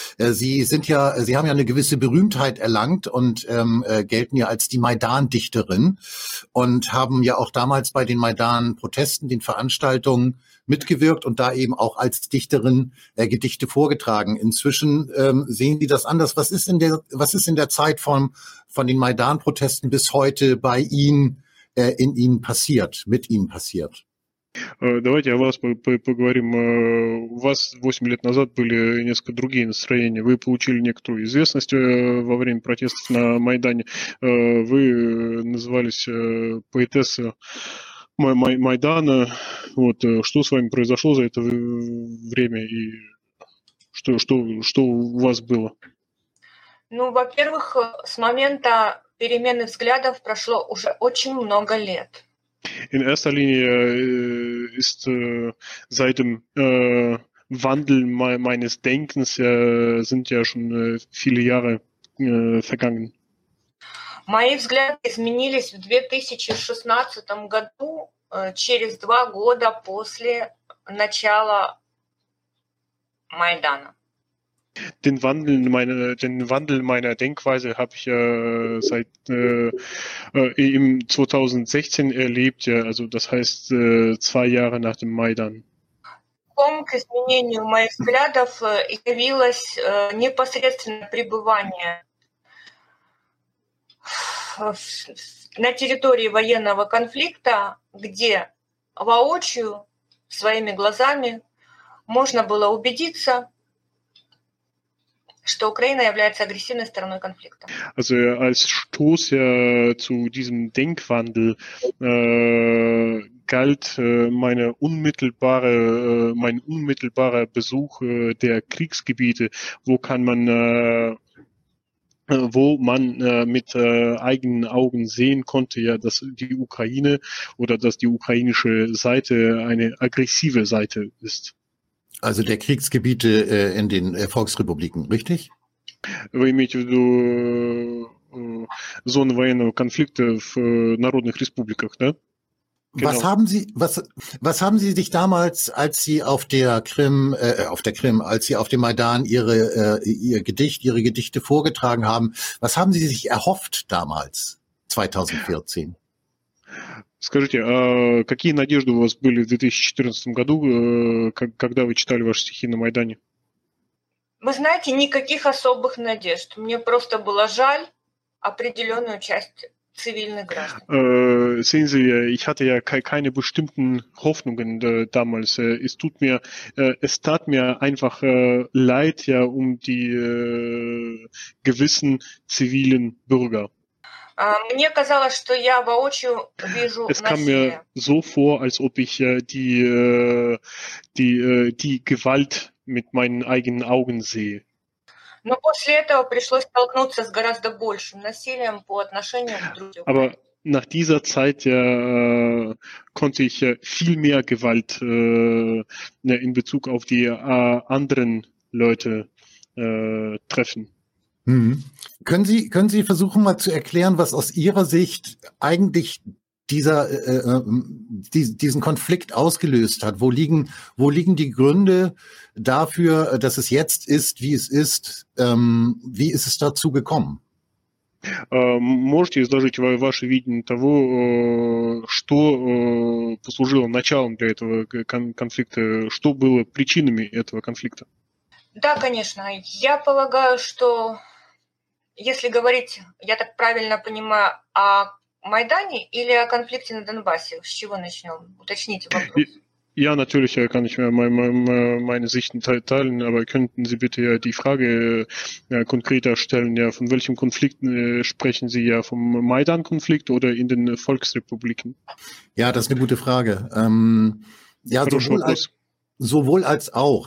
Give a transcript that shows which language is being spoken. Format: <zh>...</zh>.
<de>Sie haben ja eine gewisse Berühmtheit erlangt und gelten ja als die Maidan-Dichterin und haben ja auch damals bei den Maidan-Protesten, den Veranstaltungen mitgewirkt und da eben auch als Dichterin Gedichte vorgetragen. Inzwischen sehen Sie das anders. Was ist in der Zeit von den Maidan-Protesten bis heute bei Ihnen in Ihnen passiert, mit Ihnen passiert?</de> <ru>Давайте о вас поговорим. У вас 8 лет назад были несколько другие настроения. Вы получили некоторую известность во время протестов на Майдане. Вы назывались поэтесса Майдана. Вот что с вами произошло за это время и что у вас было? Ну, во-первых, с момента перемены взглядов прошло уже очень много лет.</ru> <de>In erster Linie ist seit dem Wandel meines Denkens sind ja schon viele Jahre vergangen.</de> <ru>Мои взгляды изменились в 2016 году. Через два года после начала Майдана.</ru> <de>Den Wandel meiner Denkweise habe ich seit im 2016 erlebt, ja, also das heißt zwei Jahre nach dem Майдан.</de> <ru>К изменению моих взглядов явилось непосредственное пребывание на территории военного конфликта, где воочию, своими глазами, можно было убедиться, что Украина является агрессивной стороной конфликта.</ru> <de>Also als Stoß ja zu diesem Denkwandel galt mein unmittelbarer Besuch der Kriegsgebiete, wo man mit eigenen Augen sehen konnte, ja, dass die Ukraine oder dass die ukrainische Seite eine aggressive Seite ist. Also der Kriegsgebiete in den Volksrepubliken, richtig?</de> <ru>Вы имеете в виду зоны военного конфликта в народных республиках, да?</ru> <de>Genau. Was haben Sie sich damals, als Sie auf der Krim, als Sie auf dem Maidan Ihre Gedichte vorgetragen haben, was haben Sie sich erhofft damals, 2014?</de> <ru>Скажите, какие надежды у вас были в 2014 году, когда вы читали ваши стихи на Майдане? Вы знаете, никаких особых надежд. Мне просто было жаль определенную часть.</ru> <de>Sehen Sie, ich hatte ja keine bestimmten Hoffnungen damals. Es tat mir einfach leid, ja, um die gewissen zivilen Bürger.</de> <ru>Мне казалось, что я воочию вижу насилие.</ru> <de>Es kam mir so vor, als ob ich die Gewalt mit meinen eigenen Augen sehe.</de> <ru>Но после этого пришлось столкнуться с гораздо большим насилием по отношению к другим.</ru> <de>Aber nach dieser Zeit konnte ich viel mehr Gewalt in Bezug auf die anderen Leute treffen. Können Sie versuchen mal zu erklären, was aus Ihrer Sicht eigentlich dieser diesen Konflikt ausgelöst hat? Wo liegen die Gründe dafür, dass es jetzt ist, wie es ist? Wie ist es dazu gekommen?</de> <ru>Можете изложить ваше видение того, что послужило началом для этого конфликта, что было причинами этого конфликта? Да, конечно. Я полагаю, что если говорить, я так правильно понимаю, о Майдане или о конфликте на Донбассе, с чего начнем? Уточните вопрос.</ru> <de>Ja, natürlich kann ich meine Sicht teilen, aber könnten Sie bitte ja die Frage konkreter stellen, ja, von welchem Konflikt sprechen Sie, ja, vom Maidan-Konflikt oder in den Volksrepubliken? Ja, das ist eine gute Frage. Ja, sowohl als auch.</de>